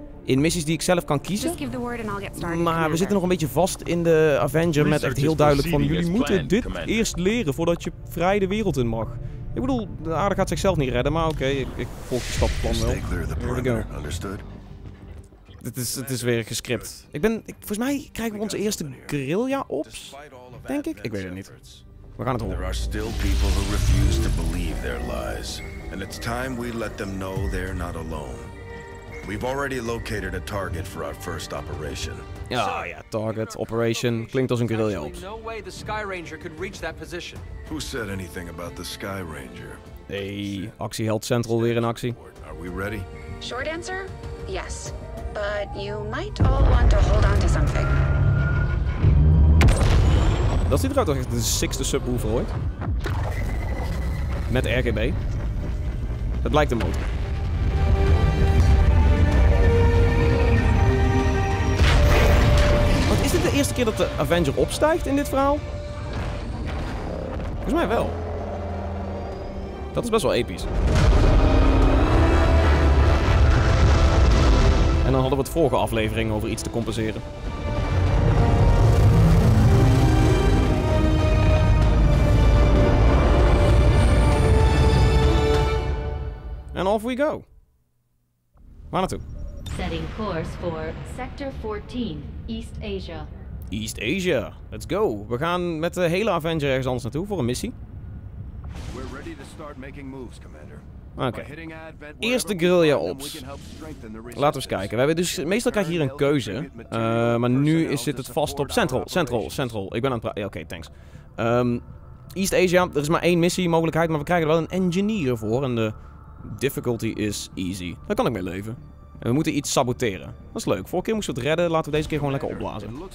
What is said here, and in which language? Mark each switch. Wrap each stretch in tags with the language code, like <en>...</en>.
<nl>In missies die ik zelf kan kiezen.</nl> <en>Just give the word and I'll get started,</en> <nl>maar commander. We zitten nog een beetje vast in de Avenger research met echt heel duidelijk van jullie moeten planned, dit commander. Eerst leren voordat je vrij de wereld in mag. Ik bedoel, de aarde gaat zichzelf niet redden, maar oké, ik volg je stappenplan wel.</nl> <en>Here we go.</en> <nl>Het is weer gescript. Volgens mij krijgen we onze eerste guerrilla-ops, denk ik? Ik weet het niet. We gaan het horen.</nl> <en>There are still people who refuse to believe their lies. And it's time we let them know they're not alone. We've already located a target for our first operation.</en> <nl>Ja, ja, target, operation, klinkt als een guerrilla op.</nl> <en>No way the Sky Ranger could reach that position. Who said anything about the Sky Ranger?</en> <nl>Hey, Actieheld Central weer in actie.</nl> <en>Are we ready? Short answer? Yes. But you might all want to hold on to something.</en> <nl>Dat ziet eruit als echt de sixth subwoofer ooit. Met RGB. Het lijkt een motor. Is dit de eerste keer dat de Avenger opstijgt in dit verhaal? Volgens mij wel. Dat is best wel episch. En dan hadden we het vorige aflevering over iets te compenseren.</nl> <en>And off we go.</en> <nl>Waar naartoe?</nl> <en>Setting course for Sector 14, East Asia. East Asia, let's go.</en> <nl>We gaan met de hele Avenger ergens anders naartoe voor een missie.</nl> <en>We're ready to start making moves, Commander.</en> <nl>Oké. Eerst de guerrilla ops. Laten we eens kijken. Meestal krijg je hier een keuze. Maar nu zit het vast op Central. Ik ben aan het praten. Oké, thanks. East Asia, er is maar één missie mogelijkheid, maar we krijgen er wel een engineer voor. En de difficulty is easy. Daar kan ik mee leven. En we moeten iets saboteren. Dat is leuk. Vorige keer moesten we het redden. Laten we deze keer gewoon lekker opblazen.</nl>